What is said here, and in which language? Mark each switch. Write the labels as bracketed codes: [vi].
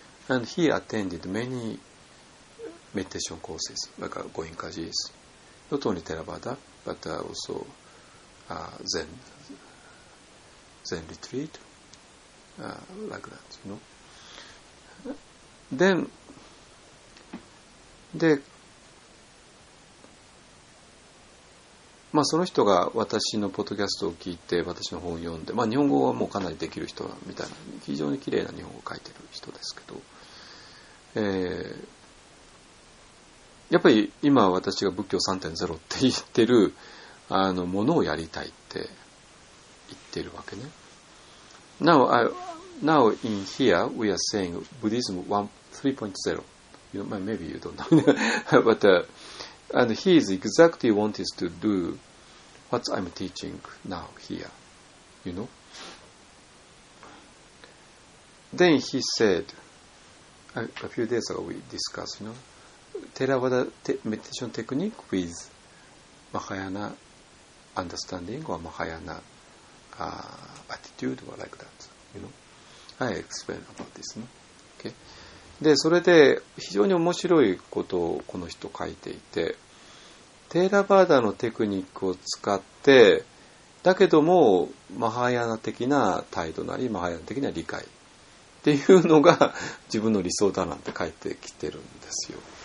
[en] And he attended many meditation courses, like Goenkaji's, not only Theravada, but also Zen retreat, like that, you know. [ja] Then, で、まあその人が私のポッドキャストを聞いて私の本を読んで、まあ日本語はもうかなりできる人みたいな、非常に綺麗な日本語を書いてる人ですけど、やっぱり今私が仏教 3.0 って言ってるあのものをやりたいって言ってるわけね。 [en] Now in here we are saying Buddhism 3.0. You know, maybe you don't know, but and he is exactly wants to do what I'm teaching now here. You know. Then he said, a few days ago we discussed, you know, Theravada meditation technique with Mahayana understanding or Mahayana attitude or like that. You know. I explain about this. Okay. [ja] で、それで非常に面白いことをこの人書いていて、テーラバーダのテクニックを使って、だけどもマハヤナ的な態度なりマハヤナ的な理解っていうのが自分の理想だなんて書いてきてるんですよ。